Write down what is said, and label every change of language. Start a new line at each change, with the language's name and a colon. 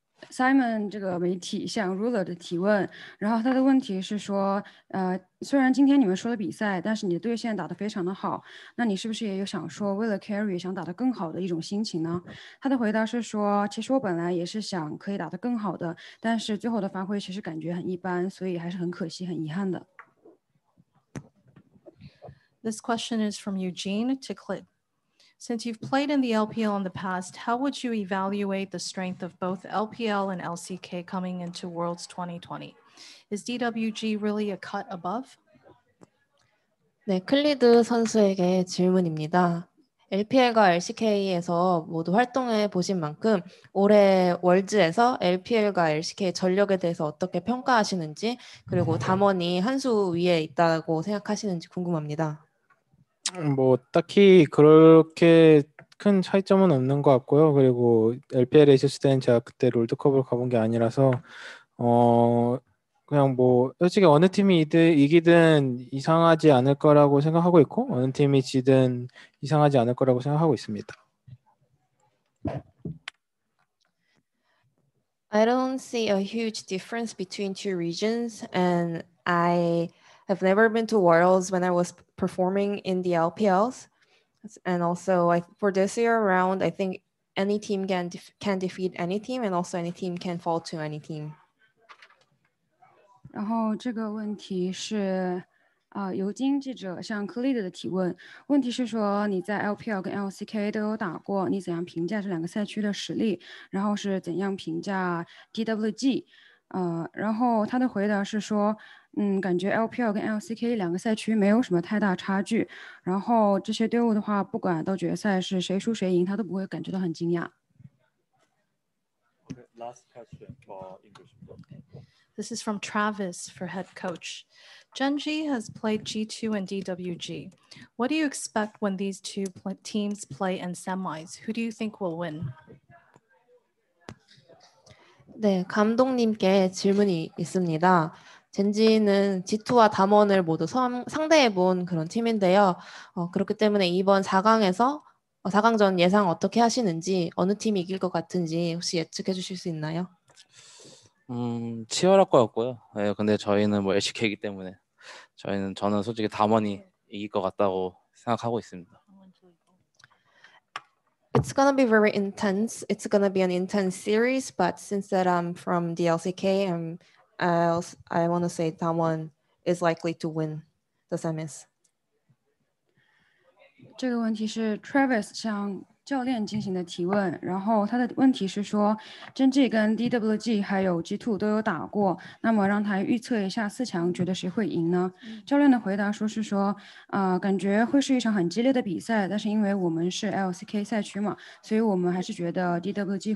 Chinese: Simon 这个媒体向 Ruler 的提问，然后他的问题是说，虽然今天你们输了比赛，但是你的对线打得非常的好，那你是不是也有想说为了 carry 想打得更好的一种心情呢？他的回答是说，其实我本来也是想可以打得更好的，但是最后的发挥其实感觉很一般，所以还是很可惜、很遗憾的。
English: This question is from Eugene to Clip. Since you've played in the LPL in the past, how would you evaluate the strength of both LPL and LCK coming into Worlds 2020? Is DWG really a cut above?
Korean: 네, 클리드 선수에게 질문입니다. LPL과 LCK에서 모두 활동해 보신 만큼 올해 월즈에서 LPL과 LCK의 전력에 대해서 어떻게 평가하시는지 그리고 담원이 한 수 위에 있다고 생각하시는지 궁금합니다. 뭐 딱히 그렇게 큰 차이점은 없는 것 같고요. 그리고 LPL에 있었을 때는 제가 그때 롤드컵을 가본 게 아니라서 그냥 뭐 솔직히 어느 팀이 이기든 이상하지 않을 거라고 생각하고 있고 어느 팀이 지든 이상하지 않을 거라고 생각하고 있습니다.
English: I don't see a huge difference between two regions and I have never been to Worlds when I was performing in the LPLs. And also for this year round, I think any team can defeat any team and also any team can fall to any team.
Chinese: 然后这个问题是 尤金记者向克利德的提问，问题是说你在LPL跟 LCK 都有打过，你怎样评价这两个赛区的实力，然后是怎样评价 DWG？然后他的回答是说， 感觉 LPL 跟 LCK 两个赛区没有什么太大差距，然后这些队伍的话，不管到决赛是谁输谁赢，他都不会感觉到很惊讶。
English: Last question for English. This is from Travis for head coach. Genji has played G2 and DWG. What do you expect when these two teams play in semis? Who do you think will win?
Korean: 네, 감독님께 질문이 있습니다. 젠지는 G2와 담원을 모두 상대해본 그런 팀인데요. 그렇기 때문에 이번 4강에서 4강전 예상 어떻게 하시는지 어느 팀이 이길 것 같은지 혹시 예측해 주실 수 있나요? 치열할 것 같고요. 네, 근데 저희는 뭐 LCK이기 때문에 저는 솔직히 담원이 이길 것 같다고 생각하고 있습니다.
English: It's going to be very intense. It's going to be an intense series, but since that I'm from the LCK, I want to say Damwon is likely to win the semis?
Chinese: 这个问题是 Travis 向教练进行的提问，然后他的问题是说 Gen.G跟 DWG 还有 G2 都有打过，那么让他预测一下四强，觉得谁会赢呢？教练的回答说是说，感觉会是一场很激烈的比赛，但是因为我们是 LCK 赛区嘛，所以我们还是觉得 DWG